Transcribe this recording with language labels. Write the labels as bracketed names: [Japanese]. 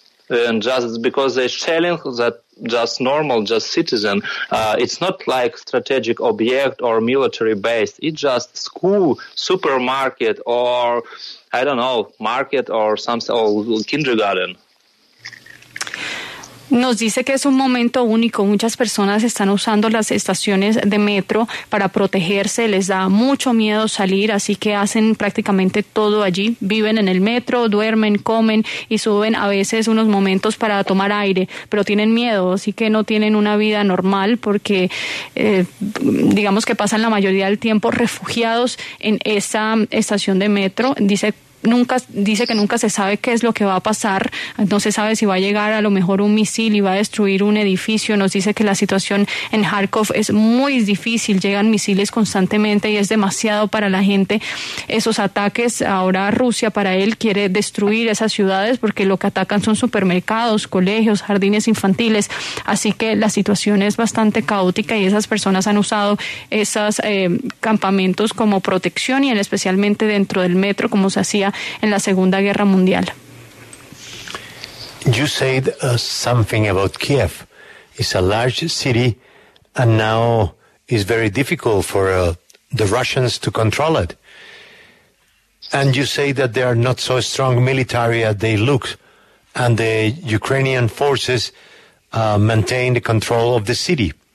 [English] And just because they're shelling that just normal, just citizen, it's not like strategic object or military based. It's just school, supermarket, or I don't know, market or some or kindergarten. [Spanish] Nos dice que es un momento único. Muchas personas están usando las estaciones de metro para protegerse. Les da mucho miedo salir, así que hacen prácticamente todo allí. Viven en el metro, duermen, comen y suben a veces unos momentos para tomar aire. Pero tienen miedo, así que no tienen una vida normal porque digamos que pasan la mayoría del tiempo refugiados en esa estación de metro. Dice que nunca se sabe qué es lo que va a pasar, no se sabe si va a llegar a lo mejor un misil y va a destruir un edificio. Nos dice que la situación en Kharkov es muy difícil, llegan misiles constantemente y es demasiado para la gente esos ataques. Ahora Rusia para él quiere destruir esas ciudades porque lo que atacan son supermercados, colegios, jardines infantiles, así que la situación es bastante caótica y esas personas han usado esos campamentos como protección y especialmente dentro del metro, como se hacía en la Segunda Guerra Mundial. [English] You said something about Kyiv. It's a large city and now it's very difficult for the Russians to control it. And you say that they are not so strong military as they look, and the Ukrainian forces maintain the control of the city.